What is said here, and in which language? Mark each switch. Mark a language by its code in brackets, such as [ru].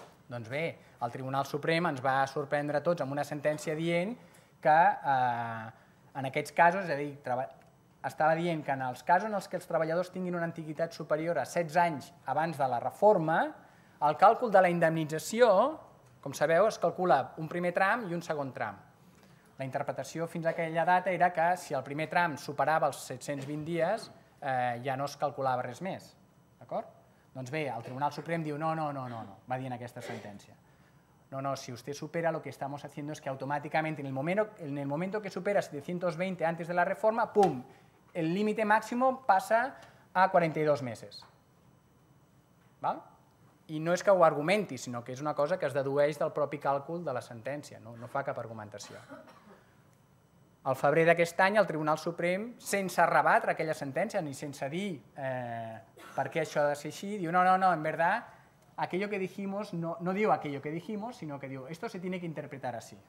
[ca] Doncs bé, el Tribunal Suprem ens va sorprendre a tots amb una sentència dient que en aquests casos, és a dir, estava dient que en els casos en els que els treballadors tinguin una antiguitat superior a 16 anys abans de la reforma, el càlcul de la indemnització, com sabeu, es calcula un primer tram i un segon tram. La interpretació fins a aquella data era que si el primer tram superava els 720 dies, ja no es calculava res més. D'acord? Doncs bé, el Tribunal Suprem diu no, va dir en aquesta sentència. [es] No, si usted supera, lo que estamos haciendo es que automáticamente en el momento que supera 720 antes de la reforma, pum, el límite máximo pasa a 42 meses. ¿Vale? [ca] I no és que ho argumenti, sinó que és una cosa que es dedueix del propi càlcul de la sentència, no fa cap argumentació. Al febrer d'aquest any, el Tribunal Suprem, sense rebatre aquella sentència, ni sense dir per què això ha de ser així, diu no, [es] en verdad, aquello que dijimos, [ca] no diu aquello que dijimos, sinó que diu, [es] esto se tiene que interpretar así.